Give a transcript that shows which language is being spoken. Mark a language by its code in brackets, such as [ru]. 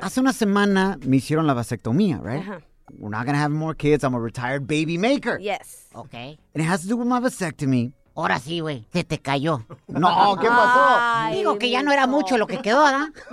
[es] Hace una semana me hicieron la vasectomía, [en] right? Uh-huh. We're not going to have more kids. I'm a retired baby maker. Yes. Okay. And it has to do with my vasectomy. [es] Ahora sí, güey, se te cayó. No, ¿qué pasó? Digo que ya no era mucho lo que quedó, ¿verdad?